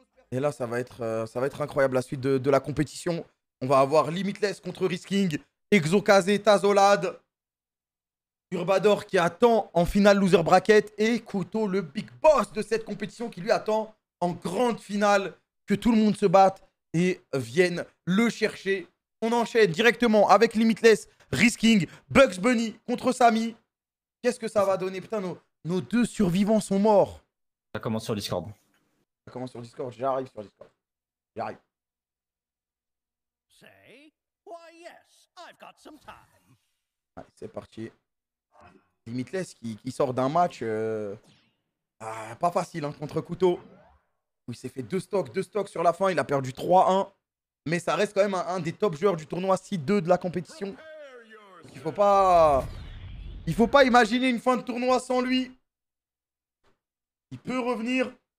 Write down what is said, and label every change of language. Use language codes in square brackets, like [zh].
[fr] Et là, ça va être incroyable la suite de la compétition. On va avoir Limitless contre Risking, Exokaze, Tazolad, Urbador qui attend en finale loser bracket et Kuto, le big boss de cette compétition qui lui attend en grande finale, que tout le monde se batte et vienne le chercher. On enchaîne directement avec Limitless, Risking, Bugs Bunny contre Samy. Qu'est-ce que ça va donner? Putain, nos deux survivants sont morts. Ça commence sur Discord. Ça commence sur Discord, j'arrive sur Discord. J'arrive. [en] Say, why yes, I've got some time. [fr] Allez, c'est parti. Limitless qui sort d'un match pas facile hein, contre Kuto. Il s'est fait deux stocks sur la fin, il a perdu 3-1. Mais ça reste quand même un des top joueurs du tournoi 6-2 de la compétition. Donc, il faut pas imaginer une fin de tournoi sans lui. Il peut revenir.